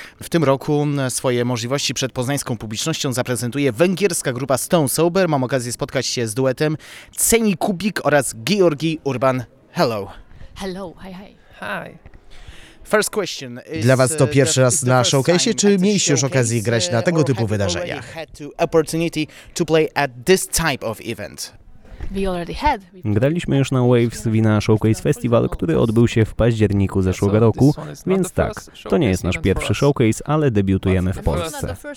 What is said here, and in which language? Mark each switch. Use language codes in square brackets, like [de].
[pl] W tym roku swoje możliwości przed poznańską publicznością zaprezentuje węgierska grupa Stone Sober. Mam okazję spotkać się z duetem Ceni Kubik oraz Georgi Urban. [en] Hello. Hello, hi, hi. Hi. First question. [pl] Dla was to pierwszy raz na showcase'ie, czy mieliście już okazję grać na tego typu wydarzeniach? [en] Opportunity to play at this type of event. [pl] Graliśmy już na Waves Vina Showcase Festival, który odbył się w październiku zeszłego roku, więc tak, to nie jest nasz pierwszy showcase, ale debiutujemy w Polsce.